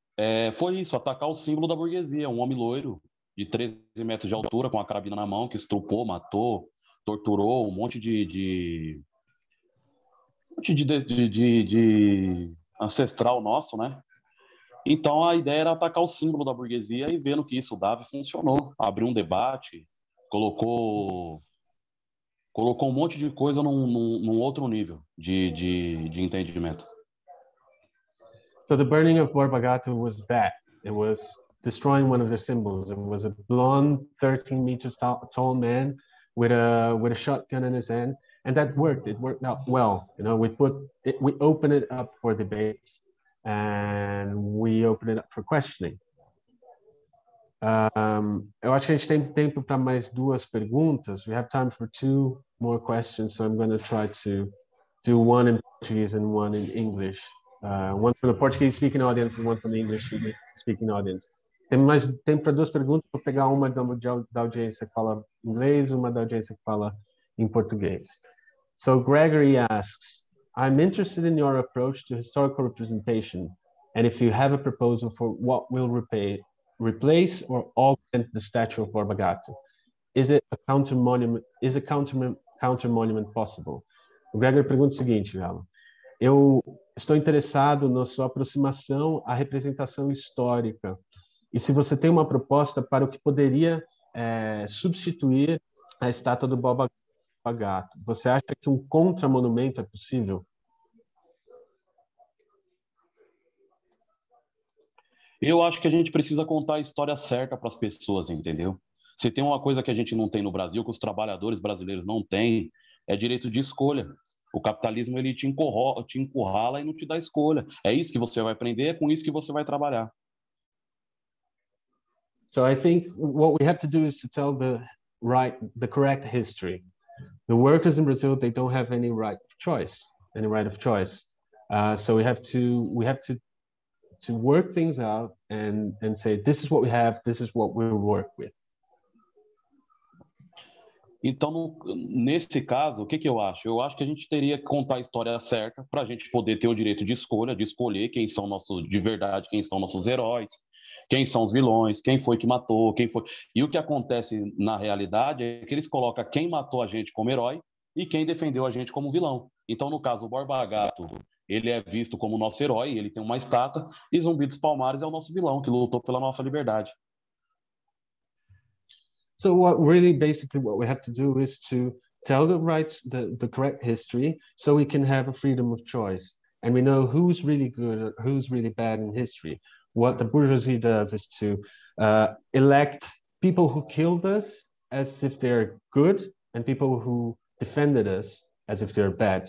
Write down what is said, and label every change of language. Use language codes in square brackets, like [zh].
[pt] É, foi isso, atacar o símbolo da burguesia, um homem loiro de 13 metros de altura com a carabina na mão, que estrupou, matou, torturou um monte de ancestral nosso, né? Então a ideia era atacar o símbolo da burguesia e vendo que isso dava e funcionou. Abriu um debate, colocou um monte de coisa num outro nível de entendimento. [en] So the burning of Borba Gato was that. It was destroying one of their symbols. It was a blonde, 13 meters tall man with a shotgun in his hand. And that worked. It worked out well. You know, we opened it up for debate and we opened it up for questioning. [pt] Eu acho que a gente tem tempo para mais duas perguntas. [en] We have time for two more questions. So I'm going to try to do one in Portuguese and one in English. One from the Portuguese-speaking audience and one from the English-speaking audience. [pt] Tem para duas perguntas, vou pegar uma da audiência que fala inglês, uma da audiência que fala em português. [en] So Gregory asks, I'm interested in your approach to historical representation and if you have a proposal for what will replace or augment the statue of Borba Gato. Is a counter monument possible? [pt] O Gregory pergunta o seguinte, Galo. Eu estou interessado na sua aproximação à representação histórica e se você tem uma proposta para o que poderia substituir a estátua do Borba Gato. Você acha que um contramonumento é possível? Eu acho que a gente precisa contar a história certa para as pessoas, entendeu? Se tem uma coisa que a gente não tem no Brasil, que os trabalhadores brasileiros não têm, é direito de escolha. O capitalismo, ele te encurrala e não te dá escolha. É isso que você vai aprender, é com isso que você vai trabalhar. [en] So I think what we have to do is to tell the right, the correct history. The workers in Brazil, they don't have any right of choice, any right of choice. So we have to work things out and say this is what we have, this is what we'll work with. [pt] Então, nesse caso, o que, que eu acho? Eu acho que a gente teria que contar a história certa para a gente poder ter o direito de escolha, de escolher quem são nossos, de verdade, quem são nossos heróis, quem são os vilões, quem foi que matou, quem foi... E o que acontece na realidade é que eles colocam quem matou a gente como herói e quem defendeu a gente como vilão. Então, no caso, o Borba Gato, ele é visto como nosso herói, ele tem uma estátua, e Zumbi dos Palmares é o nosso vilão, que lutou pela nossa liberdade. [en] So what really basically what we have to do is to tell the right, the correct history, so we can have a freedom of choice. And we know who's really good, who's really bad in history. What the bourgeoisie does is to elect people who killed us as if they're good and people who defended us as if they're bad.